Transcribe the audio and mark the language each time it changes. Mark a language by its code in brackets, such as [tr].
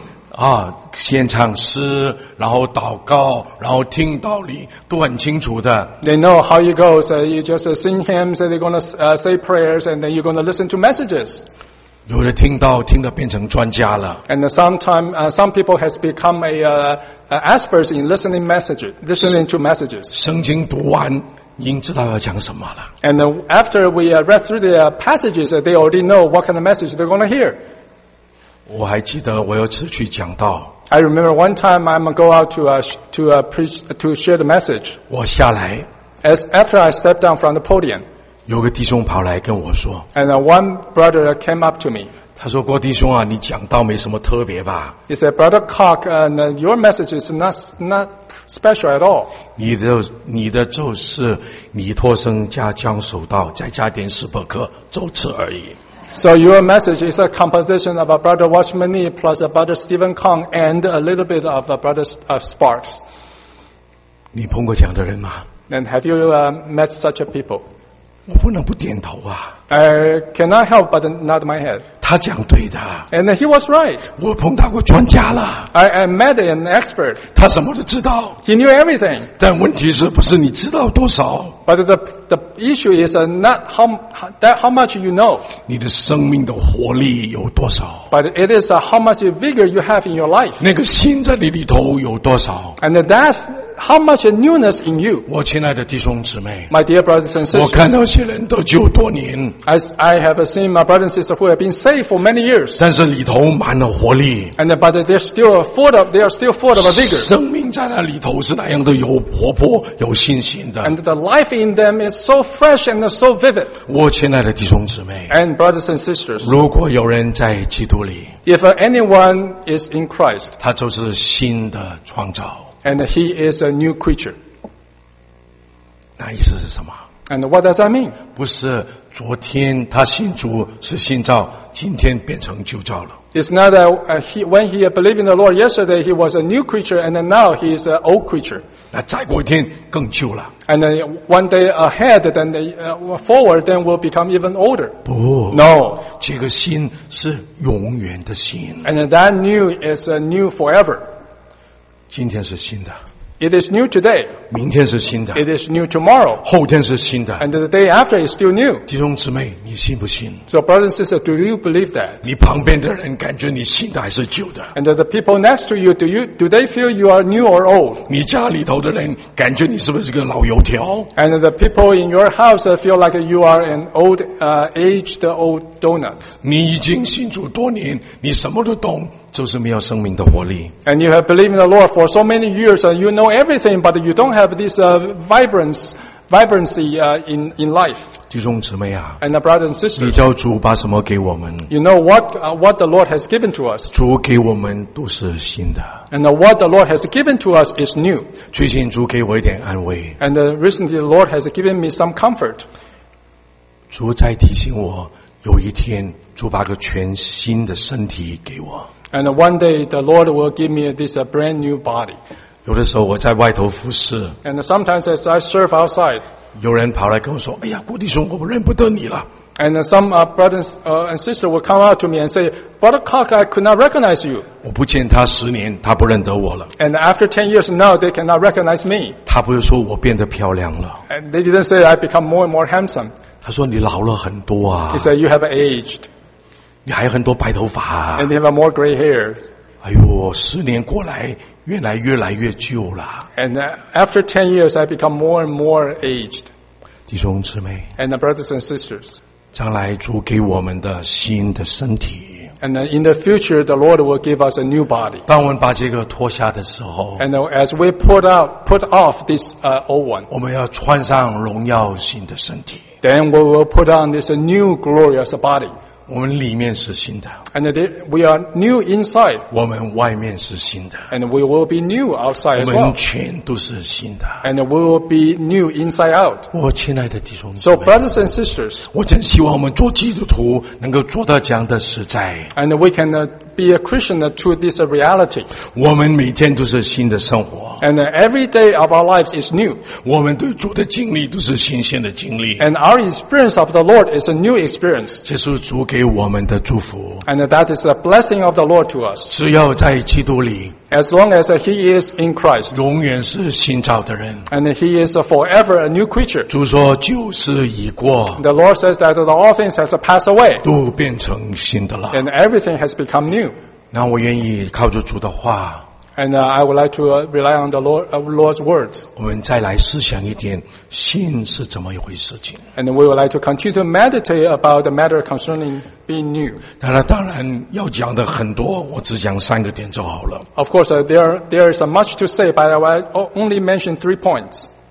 [zh] 啊，先唱诗，然后祷告，然后听道理，都很清楚的。 [en] They know how it goes. You just sing hymns, and they're gonna say prayers, and then you're gonna listen to messages. [zh] 有的听到听得变成专家了。 [en] And some people has become experts in listening to messages. [zh] 圣经读完。已经知道要讲什么了。 [en] And after we read through the passages, they already know what kind of message they're going to hear. [zh] 我还记得我有次去讲道。 [en] I remember one time I'm going out to share the message. [zh] 我下来。 [en] After I stepped down from the podium. [zh] 有个弟兄跑来跟我说。 [en] And one brother came up to me. [zh] 他说郭弟兄啊，你讲道没什么特别吧。 [en] He said, Brother Cock, and your message is not,special at all. [zh] 你的就是你托生加将守道再加点斯伯克就此而已。 [en] So your message is a composition of a Brother Watchman Nee plus a Brother Stephen Kong and a little bit of a Brother Sparks. [zh] 你碰过这样的人吗？ [en] And have you met such a people? [zh] 我不能不点头啊。 [en] Cannot help but nod my head. [zh] 他讲对的。 [en] And he was right. [zh] 我碰到过专家了。 [en] I met an expert. [zh] 他什么都知道。 [en] He knew everything. [zh] 但问题是不是你知道多少？ [en] But the issue is not how much you know. [zh] 你的生命的活力有多少？ [en] But it is how much vigor you have in your life. [zh] 那个心在你里头有多少？ [en] And that how much newness in you. [zh] 我亲爱的弟兄姊妹， [en] My dear brothers and sisters. [zh] 我看到些人都救多年。 [en] As I have seen my brothers and sisters who have been saved for many years. [zh] 但是里头满了活力。 [en] And but they are still full of vigor. [zh] 生命在那里头是那样的有活泼有信心的。 [en] And the life in them is so fresh and so vivid. [zh] 我亲爱的弟兄姊妹。 [en] And brothers and sisters. [zh] 如果有人在基督里。 [en] If anyone is in Christ. [zh] 他就是新的创造。 [en] And he is a new creature. [zh] 那意思是什么？ [en] And what does that mean? [zh] 不是昨天他信主是新造，今天变成旧造了。 [en] It's not that when he believed in the Lord yesterday, he was a new creature, and now he is an old creature. [zh] 那再过一天更旧了。 [en] And then one day ahead, then forward, then will become even older. [zh] 不 [en] ，No. [zh] 这个新是永远的新。 [en] And that new is a new forever. [zh] 今天是新的。 [en] It is new today. [zh] 明天是新的。 [en] It is new tomorrow. [zh] 后天是新的。 [en] And the day after is still new. [zh] 弟兄姊妹，你信不信？ [en] So brothers and sisters, do you believe that? [zh] 你旁边的人感觉你新的还是旧的？ [en] And the people next to you, do they feel you are new or old? [zh] 你家里头的人感觉你是不是个老油条？ [en] And the people in your house feel like you are an old, aged old donuts. [zh] 你已经信主多年，你什么都懂。就是没有生命的活力。 [en] And you have believed in the Lord for so many years, and you know everything, but you don't have this vibrancy in life. [zh] 弟兄姊妹啊， [en] and brothers and sisters, [zh] 你叫主把什么给我们？ [en] You know what the Lord has given to us. [zh] 主给我们都是新的。 [en] And what the Lord has given to us is new. [zh] 最近主给我一点安慰。 [en] And recently the Lord has given me some comfort. [zh] 主在提醒我，有一天主把个全新的身体给我。 [en] And one day the Lord will give me this brand new body. [zh] 有的时候我在外头服侍。 [en] And sometimes as I serve outside. [zh] 有人跑来跟我说，哎呀，郭弟兄，我认不得你了。 [en] And some brothers and sisters will come out to me and say, Brother Cock, I could not recognize you. [zh] 我不见他十年，他不认得我了。 [en] And after 10 years now, they cannot recognize me. [zh] 他不是说我变得漂亮了。 [en] And they didn't say I become more and more handsome. [zh] 他说你老了很多啊。 [en] He said you have aged. [zh] 你还有很多白头发、啊、 [en] And you have more gray hair. [zh] 哎呦，十年过来，越来越旧了。 [en] And after 10 years, I become more and more aged. [zh] 弟兄姊妹。 [en] And the brothers and sisters. [zh] 将来主给我们的新的身体。 [en] And in the future, the Lord will give us a new body. [zh] 当我们把这个脱下的时候。 [en] And as we put off this old one. [zh] 我们要穿上荣耀新的身体。 [en] Then we will put on this new glorious body. [zh] 我们里面是新的。 [en] And we are new inside. [zh] 我们外面是新的。 [en] And we will be new outside as well. [zh] 我们全都是新的。 [en] And we will be new inside out. [zh] 我亲爱的弟兄姊妹。 [en] So brothers and sisters. [zh] 我真希望我们做基督徒能够做到这样的实在。 [en] And we can be a Christian to this reality. [zh] 我们每天都是新的生活。 [en] And every day of our lives is new. [zh] 我们对主的经历都是新鲜的经历。 [en] And our experience of the Lord is a new experience. [zh] 这是主给我们的祝福。 [en] And that is a blessing of the Lord to us. [zh] 只要在基督里。 [en] As long as he is in Christ. [zh] 永远是新造的人。 [en] And he is forever a new creature. [zh] 主说旧事已过。 [en] The Lord says that the old things has passed away. [zh] 都变成新的了。 [en] And everything has become new. [zh] 那我愿意靠着主的话。 [en] And I would like to rely on the Lord's words. [zh] 我们再来思想一点，新是怎么一回事情。 [en] And we would like to continue to meditate about the matter concerning being new. [zh] 当然要讲的很多，我只讲三个点就好了。 [en] Of course, there is much to say, but I will only mention three points.